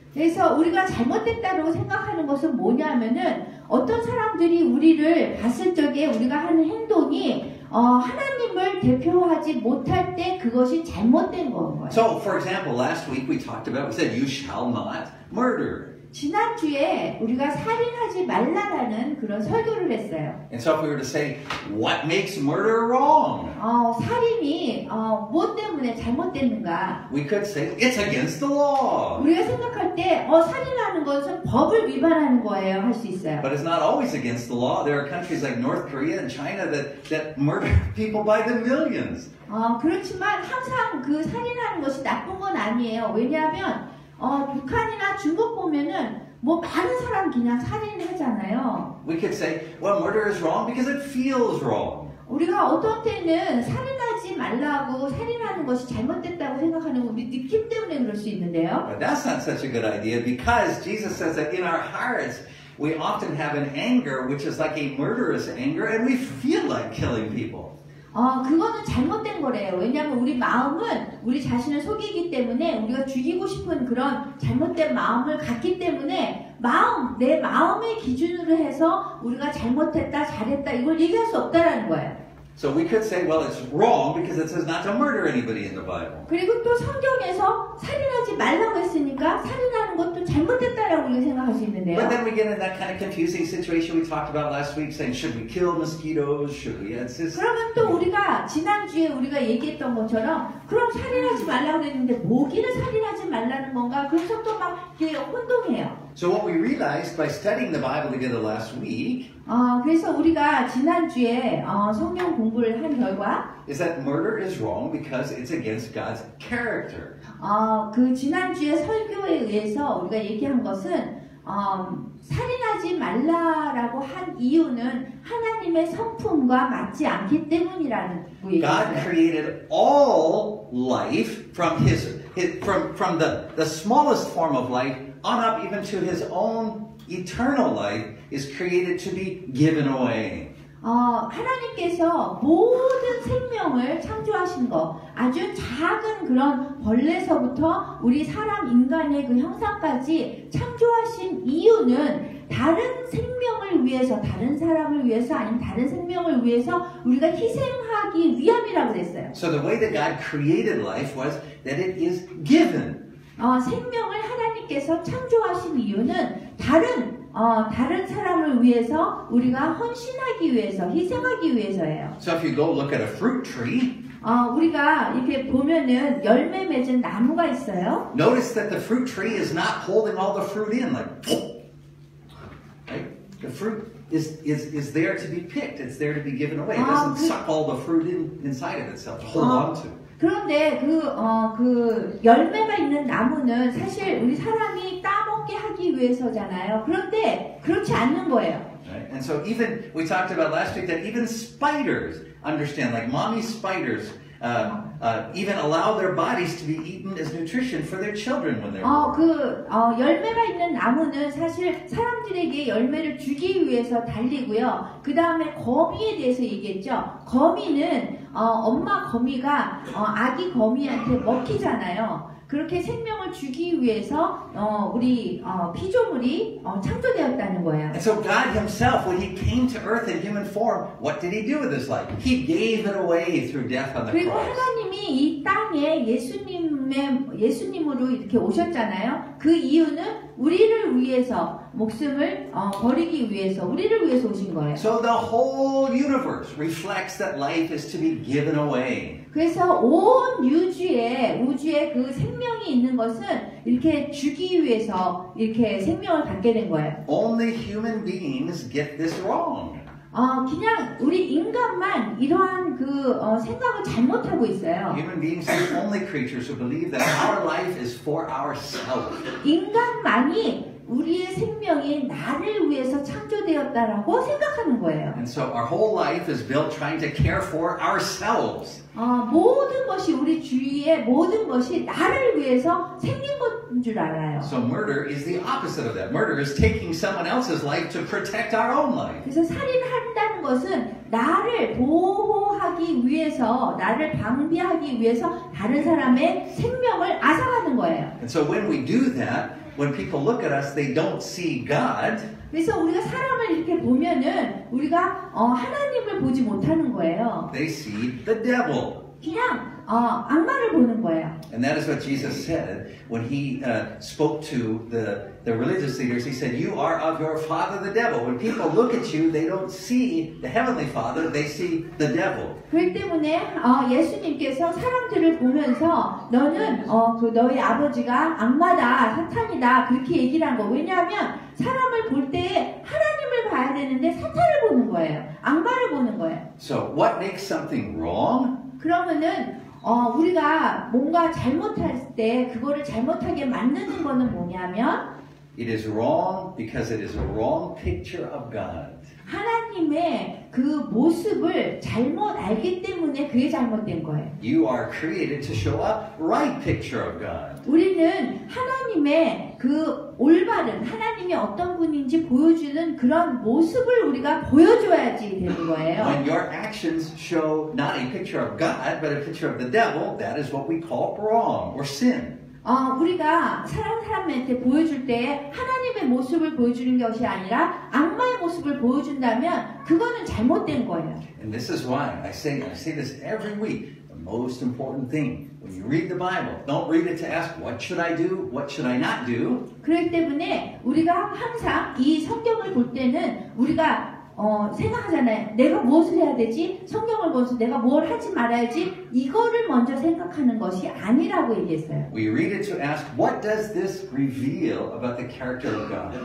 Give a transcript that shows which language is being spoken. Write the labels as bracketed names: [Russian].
[Korean] 그래서 우리가 잘못됐다고 생각하는 것은 뭐냐면은 어떤 사람들이 우리를 봤을 적에 우리가 하는 행동이 하나님을 대표하지 못할 때 그것이 잘못된 건 거예요. [English] So, for example, last week we talked about, we said, you shall not murder. [Korean] 지난주에 우리가 살인하지 말라라는 그런 설교를 했어요. [English] And so if we were to say, what makes murder wrong? [Korean] 살인이 뭐 때문에 잘못됐는가? [English] We could say, it's against the law. [Korean] 우리가 생각할 때, 살인하는 것은 법을 위반하는 거예요. 할 수 있어요. [English] But it's not always against the law. There are countries like North Korea and China that murder people by the millions. [Korean] 그렇지만 항상 그 살인하는 것이 나쁜 건 아니에요. 왜냐하면 북한이나 중국 보면은 뭐 많은 사람 그냥 살인을 하잖아요. [English] We could say, well, murder is wrong because it feels wrong. [Korean] 우리가 어떤 때는 살인하지 말라고 살인하는 것이 잘못됐다고 생각하는 우리 느낌 때문에 그럴 수 있는데요. [English] But that's not such a good idea because Jesus says that in our hearts we often have an anger which is like a murderous anger and we feel like killing people. [Korean] 그거는 잘못된 거래요. 왜냐하면 우리 마음은 우리 자신을 속이기 때문에 우리가 죽이고 싶은 그런 잘못된 마음을 갖기 때문에 내 마음의 기준으로 해서 우리가 잘못했다, 잘했다 이걸 얘기할 수 없다라는 거예요. [English] So we could say, well, it's wrong because it says not to murder anybody in the Bible. [Korean] 그리고 또 성경에서 살인하지 말라고 했으니까 살인하는 것도 잘못됐다라고 우리가 생각할 수 있는데요. [English] But then we get in that kind of confusing situation we talked about last week, saying, should we kill mosquitoes? Should we insist? [Korean] 그러면 또 우리가 지난주에 우리가 얘기했던 것처럼 그럼 살인하지 말라고 했는데 모기를 살인하지 말라는 건가? 그래서 또 막 혼동해요. [English] So what we realized by studying the Bible together last week. [Korean] 그래서 우리가 지난주에 성경 공부를 한 결과 [English] is that murder is wrong because it's against God's character. [Korean] 그 지난주에 설교에 의해서 우리가 얘기한 것은 살인하지 말라라고 한 이유는 하나님의 성품과 맞지 않기 때문이라는 거예요. [English] God created all life from the smallest form of life on up even to his own eternal life is created to be given away. [Korean] 하나님께서 모든 생명을 창조하신 거 아주 작은 그런 벌레서부터 우리 사람 인간의 그 형상까지 창조하신 이유는 다른 생명을 위해서 다른 사람을 위해서 아니면 다른 생명을 위해서 우리가 희생하기 위함이라고 됐어요. [English] So the way that God created life was that it is given. [Korean] 생명을 하나님께서 창조하신 이유는 다른 사람을 위해서 우리가 헌신하기 위해서 희생하기 위해서예요. [English] So if you go look at a fruit tree. [Korean] 우리가 이렇게 보면은 열매 맺은 나무가 있어요. [English] Notice that the fruit tree is not holding all the fruit in like. The fruit is there to be picked. It's there to be given away. It doesn't suck all the fruit inside of itself to hold on to. [Korean] 그런데 그 열매가 있는 나무는 사실 우리 사람이 따먹게 하기 위해서잖아요. 그런데 그렇지 않는 거예요. [English] Right. And so even we talked about last week that even spiders understand, like mommy spiders. Even allow their bodies to be eaten as nutrition for their children when they're born. [Korean] 열매가 있는 나무는 사실 사람들에게 열매를 주기 위해서 달리고요. 그 다음에 거미에 대해서 얘기했죠. 거미는 엄마 거미가 아기 거미한테 먹히잖아요. 그렇게 생명을 주기 위해서 우리 피조물이 창조되었다는 거예요. [English] And so God himself, when he came to earth in human form, what did he do with his life? He gave it away through death on the cross. [Korean] 그리고 하나님이 이 땅에 예수님으로 이렇게 오셨잖아요. 그 이유는 우리를 위해서 목숨을 버리기 위해서 우리를 위해서 오신 거예요. [English] So the whole universe reflects that life is to be given away. [Korean] 그래서 온 우주에 그 생명이 있는 것은 이렇게 주기 위해서 이렇게 생명을 갖게 된 거예요. [English] Only human beings get this wrong. [Korean] 그냥 우리 인간만 이러한 생각을 잘못하고 있어요. [English] Human beings are the only creatures who believe that our life is for ourselves. [Korean] 인간만이 우리의 생명이 나를 위해서 창조되었다라고 생각하는 거예요. [English] And so our whole life is built trying to care for ourselves. [Korean] 모든 것이 우리 주위의 모든 것이 나를 위해서 생긴 것인 줄 알아요. [English] So murder is the opposite of that. Murder is taking someone else's life to protect our own life. [Korean] 그래서 살인한다는 것은 나를 보호하기 위해서 나를 방비하기 위해서 다른 사람의 생명을 앗아가는 거예요. [English] And so when we do that, when people look at us, they don't see God. [Korean] 그래서 우리가 사람을 이렇게 보면은 우리가 하나님을 보지 못하는 거예요. [English] They see the devil. [Korean] 그냥 악마를 보는 거예요. [English] And that is what Jesus said when he spoke to the religious leaders. He said, "You are of your father, the devil." When people look at you, they don't see the heavenly Father; they see the devil. [Korean] 그 때문에 예수님께서 사람들을 보면서 너는 너의 아버지가 악마다, 사탄이다 그렇게 얘기를 한 거. 왜냐하면 사람을 볼 때 하나님을 봐야 되는데 사탄을 보는 거예요. 악마를 보는 거예요. [English] So what makes something wrong? [Korean] 그러면은 우리가 뭔가 잘못할 때 그거를 잘못하게 만드는 거는 뭐냐면 [English] It is wrong because it is a wrong picture of God. [Korean] 하나님의 그 모습을 잘못 알기 때문에 그게 잘못된 거예요. [English] You are created to show a right picture of God. [Korean] 우리는 하나님의 그 올바른 하나님이 어떤 분인지 보여주는 그런 모습을 우리가 보여줘야지 되는 거예요. [English] When your actions show not a picture of God but a picture of the devil, that is what we call wrong or sin. [Korean] 우리가 사람한테 보여줄 때 하나님의 모습을 보여주는 것이 아니라 악마의 모습을 보여준다면 그거는 잘못된 거예요. [English] And this is why I say this every week. Most important thing when you read the Bible, don't read it to ask what should I do, what should I not do. [Korean] 그렇기 때문에 우리가 항상 이 성경을 볼 때는 우리가 생각하잖아요. 내가 무엇을 해야 되지? 성경을 보면서 내가 뭘 하지 말아야지? 이거를 먼저 생각하는 것이 아니라고 얘기했어요. [English] We read it to ask, what does this reveal about the character of God?